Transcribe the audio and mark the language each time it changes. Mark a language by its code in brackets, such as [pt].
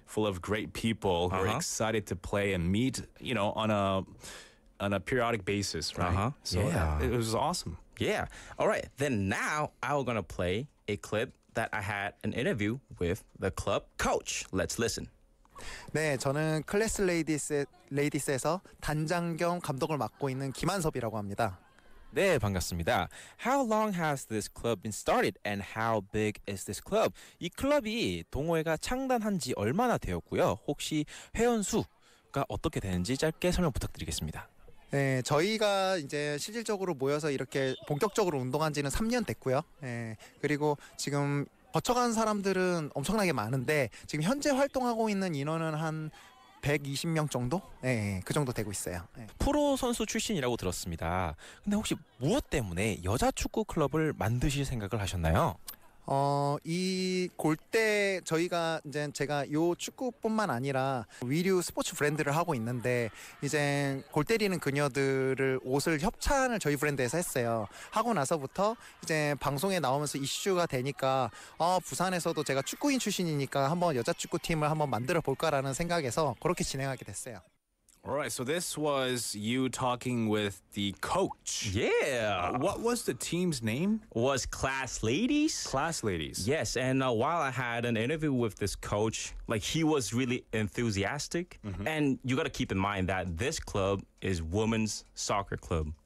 [en] Full of great people uh-huh. who are excited to play and meet, you know, on a periodic basis, right? Uh-huh. So yeah. It was awesome. Yeah. All right. Then now I'm going to play a clip that I had an interview with the club coach. Let's listen. [ko] 네, 저는 클래스 레이디스에서 단장 겸 감독을 맡고 있는 김한섭이라고 합니다. 네, 반갑습니다. [en] How long has this club been started and how big is this club? [ko] 이 클럽이 동호회가 창단한 지 얼마나 되었고요? 혹시 회원 수가 어떻게 되는지 짧게 설명 부탁드리겠습니다. 네, 저희가 이제 실질적으로 모여서 이렇게 본격적으로 운동한 지는 3년 됐고요. 네, 그리고 지금 거쳐간 사람들은 엄청나게 많은데 지금 현재 활동하고 있는 인원은 한 120명 정도? 네, 그 정도 되고 있어요. 네. 프로 선수 출신이라고 들었습니다. 근데 혹시 무엇 때문에 여자 축구 클럽을 만드실 생각을 하셨나요? 이 골대 저희가 이제 제가 요 축구뿐만 아니라 위류 스포츠 브랜드를 하고 있는데 이제 골대리는 그녀들을 옷을 협찬을 저희 브랜드에서 했어요. 하고 나서부터 이제 방송에 나오면서 이슈가 되니까 부산에서도 제가 축구인 출신이니까 한번 여자 축구팀을 한번 만들어 볼까라는 생각에서 그렇게 진행하게 됐어요. [en] All right, so this was you talking with the coach. Yeah. What was the team's name? Was Class Ladies. Class Ladies. Yes, and while I had an interview with this coach, like, he was really enthusiastic. Mm-hmm. And you got to keep in mind that this club is women's soccer club.